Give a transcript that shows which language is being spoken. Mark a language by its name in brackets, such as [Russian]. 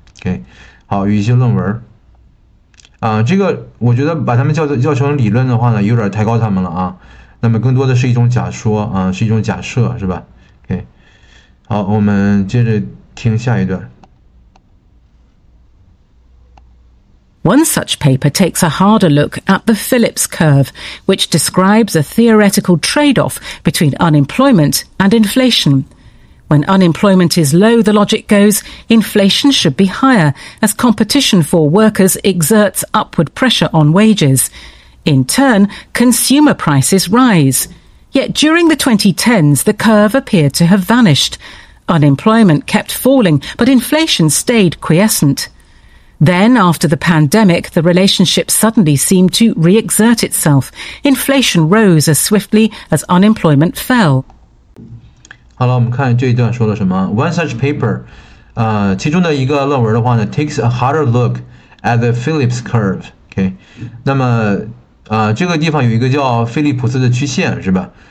[Chinese] OK，好，有一些论文，这个我觉得把他们叫成理论的话呢，有点抬高他们了啊。那么更多的是一种假说啊，是一种假设，是吧？OK，好，我们接着听下一段。 [English] One such paper takes a harder look at the Phillips curve, which describes a theoretical trade-off between unemployment and inflation. When unemployment is low, the logic goes, inflation should be higher, as competition for workers exerts upward pressure on wages. In turn, consumer prices rise. Yet during the 2010s, the curve appeared to have vanished. Unemployment kept falling, but inflation stayed quiescent. Then, after the pandemic, the relationship suddenly seemed to re-exert itself. Inflation rose as swiftly as unemployment fell. [Chinese] 好了，我们看这一段说了什么。 [English] One such paper， [Chinese] 其中的一个论文的话呢， [English] takes a harder look at the Phillips curve。 [Chinese] OK，那么这个地方有一个叫菲利普斯的曲线是吧？